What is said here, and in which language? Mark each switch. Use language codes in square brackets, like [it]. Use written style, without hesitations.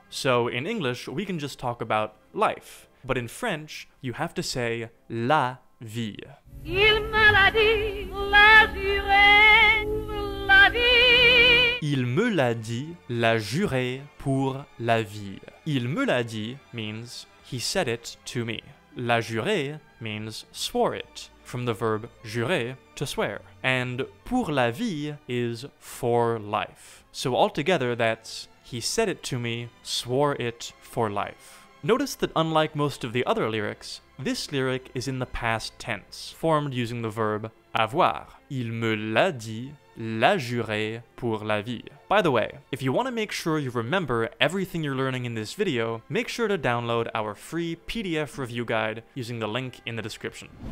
[en] So in English, we can just talk about life. But in French, you have to say la vie. [fr] Il me l'a dit, l'a juré, la vie. Il me l'a dit, l'a juré pour la vie. Il me l'a dit [en] means he said it to me. [fr] L'a juré [en] means swore it, from the verb jurer, to swear. And [fr] pour la vie [en] is for life. So altogether that's he said it to me, swore it for life. Notice that unlike most of the other lyrics, this lyric is in the past tense, formed using the verb avoir. [fr] Il me l'a dit, l'a juré pour la vie. [en] By the way, if you want to make sure you remember everything you're learning in this video, make sure to download our free PDF review guide using the link in the description.